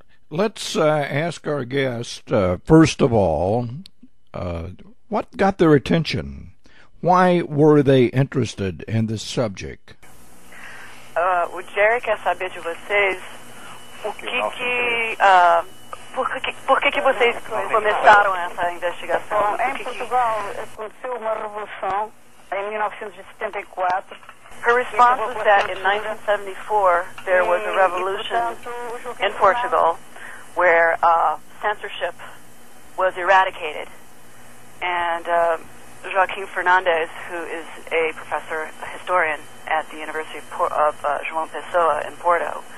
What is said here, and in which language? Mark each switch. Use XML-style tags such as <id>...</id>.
<en>Let's ask our guest, first of all, what got their attention? Why were they interested in this subject?</en> <pt>O Jerry quer saber de vocês por que vocês começaram essa investigação? Em Portugal aconteceu uma revolução em 1974.</pt> <en>Her response was that in 1974 there was a revolution in Portugal where censorship was eradicated. And Joaquim Fernandez, who is a professor, a historian at the University of João Pessoa in Porto.</en>